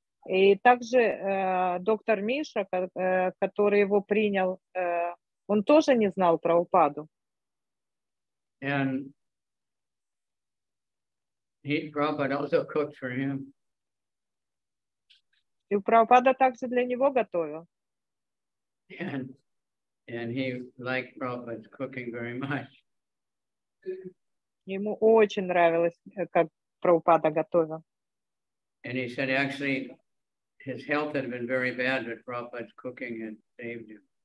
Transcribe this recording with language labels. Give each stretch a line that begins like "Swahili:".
Russian: И также доктор Миша, который его принял, он тоже не знал Прабхупаду.
English: And Prabhupada also cooked for him.
Russian: И Прабхупада также для него готовил.
English: And he liked Prabhupada's cooking very much.
Russian: Ему очень нравилось, как Прабхупада готовил.
English: And he said actually his health had been very bad, but Prabhupada's cooking had saved him.